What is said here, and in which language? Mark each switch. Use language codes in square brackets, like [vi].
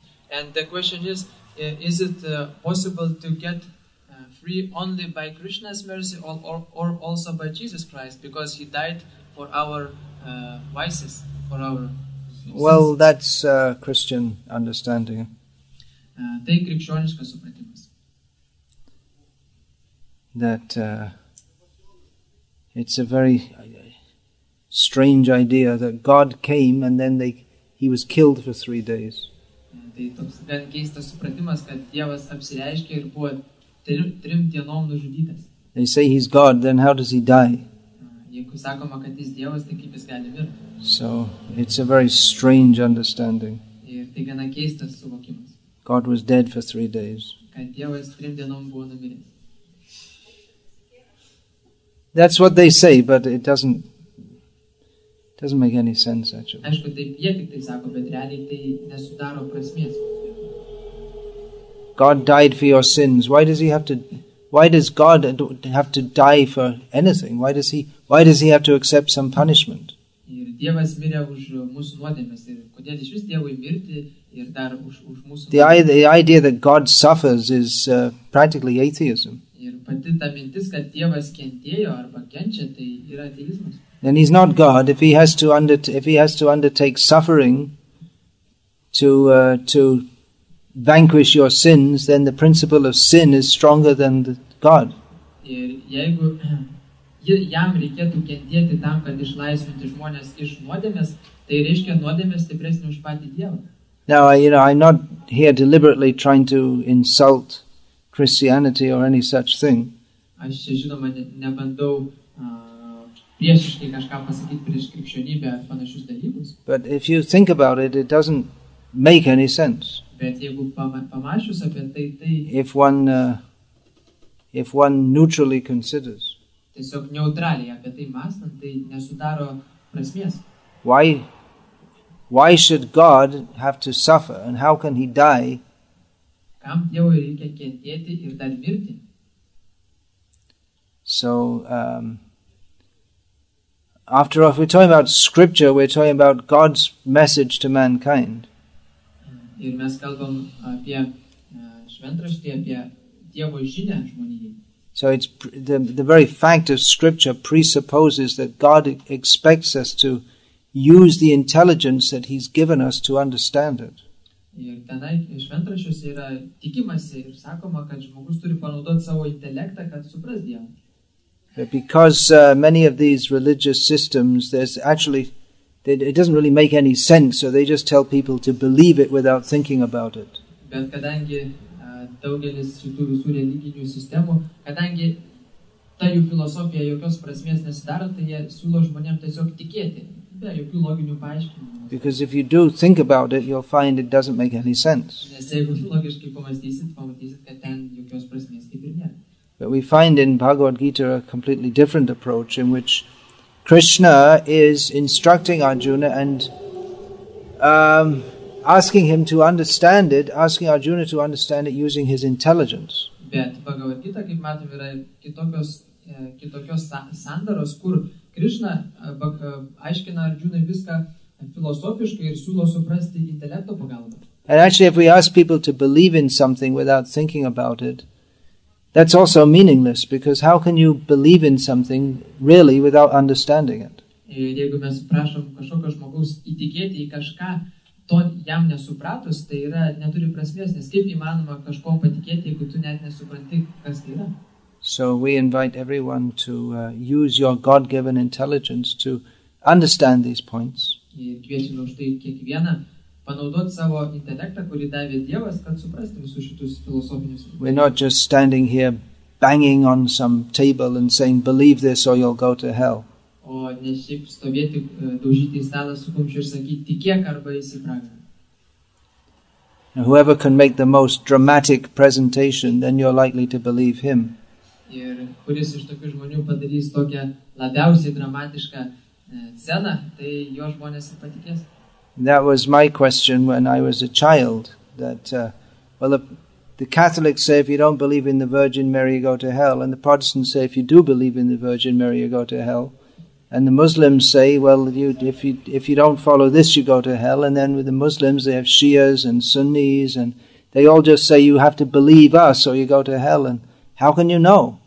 [en] And the question is it possible to get free only by Krishna's mercy or also by Jesus Christ, because he died for our vices, for our sins? Well, that's Christian understanding. [lt] Tai krikščioniškas supratimas. [en] That it's a very strange idea that God came and then he was killed for 3 days. [lt] Tai toks gan keistas supratimas, kad Dievas apsireiškė ir buvo trim dienom nužudytas. [en] They say he's God, then how does he die? [lt] Jeigu sakoma, kad jis Dievas, tai kaip jis gali mirti? [en] So, it's a very strange understanding. [lt] Ir tai gana keistas suvokimas. [en] God was dead for 3 days. [lt] Kad Dievas trim dienom buvo numiręs. [en] That's what they say, but it doesn't... Doesn't make any sense, actually. [lt] Aišku, taip, jie tik tai sako, bet realiai tai nesudaro prasmės. [en] God died for your sins. Why does he have to... Why does God have to die for anything? Why does he have to accept some punishment? [lt] Ir Dievas mirė už mūsų nuodėmes. Ir kodėl iš vis Dievui mirti ir dar už mūsų nuodėmes? [en] The idea that God suffers is practically atheism. [lt] Ir pati ta mintis, kad Dievas kentėjo arba kenčia, tai yra ateizmas. [en] Then he's not God if he has to undertake suffering to vanquish your sins, then the principle of sin is stronger than God. [lt] Ir jeigu jam reikėtų kentėti tam, kad išlaisvinti žmonės iš nuodėmės, tai reiškia nuodėmė stipresnė už patį Dievą. [en] Now, you know, I'm not here deliberately trying to insult Christianity or any such thing. [lt] Aš čia, žinoma, nebandau priešiškai kažką pasakyti prieš krikščionybę ar panašius dalykus. [en] But if you think about it, it doesn't make any sense. [lt] Bet jeigu pamačius apie tai, tai... [en] If one neutrally considers. [lt] Tiesiog neutraliai apie tai mąstant, tai nesudaro prasmės. [en] Why should God have to suffer and how can he die? [lt] Kam Dievui reikia kentėti ir dar mirti? [en] So, after all, if we're talking about scripture, we're talking about God's message to mankind. [lt] Ir mes kalbam apie šventraštį, apie Dievo žinę žmonijai. [en] So it's the very fact of scripture presupposes that God expects us to use the intelligence that he's given us to understand it. [lt] Ir tenai šventraščiuose yra tikimasi ir sakoma, kad žmogus turi panaudoti savo intelektą, kad supras Dievą. [en] Because many of these religious systems, there's actually, it doesn't really make any sense, so they just tell people to believe it without thinking about it. [lt] Bet kadangi daugelis šitų visų religinių sistemų, kadangi ta jų filosofija jokios prasmės nesidaro, tai jie siūlo žmonėm tiesiog tikėti, be jokių loginių paaiškinimų. [en] Because if you do think about it, you'll find it doesn't make any sense. [lt] Nes jeigu logiškai pamastysit, pamatysit, kad ten jokios prasmės kaip ir nėra. [en] But we find in Bhagavad Gita a completely different approach in which Krishna is instructing Arjuna and asking Arjuna to understand it using his intelligence. [lt] Bet Bhagavad Gita, kaip matome, yra kitokios sandaros, kur Krishna aiškina Arjunai viską filosofiškai ir siūlo suprasti intelekto pagalba. [en] And actually, if we ask people to believe in something without thinking about it, that's also meaningless, because how can you believe in something really without understanding it? [lt] Jeigu mes prašom kažkokio žmogaus įtikėti į kažką, to jam nesupratus, tai yra neturi prasmės, nes kaip įmanoma kažko patikėti, jeigu tu net nesupranti, kas tai yra. [en] So we invite everyone to use your God-given intelligence to understand these points. [lt] Ir kviečiame už tai kiekvieną panaudoti savo intelektą, kurį davė Dievas, kad suprasti visus šitus filosofinius. [en] We're not just standing here banging on some table and saying, believe this or you'll go to hell. [lt] O ne šiaip stovėti, daužyti į stalą su kumščiu ir sakyti, tikėk arba esi pragaras. [en] Whoever can make the most dramatic presentation, then you're likely to believe him. [lt] Ir kuris iš tokių žmonių padarys tokią labiausiai dramatišką sceną, tai jo žmonės ir patikės. [en] That was my question when I was a child, that, the Catholics say if you don't believe in the Virgin Mary, you go to hell, and the Protestants say if you do believe in the Virgin Mary, you go to hell, and the Muslims say, well, if you don't follow this, you go to hell, and then with the Muslims, they have Shias and Sunnis, and they all just say you have to believe us or you go to hell, and how can you know?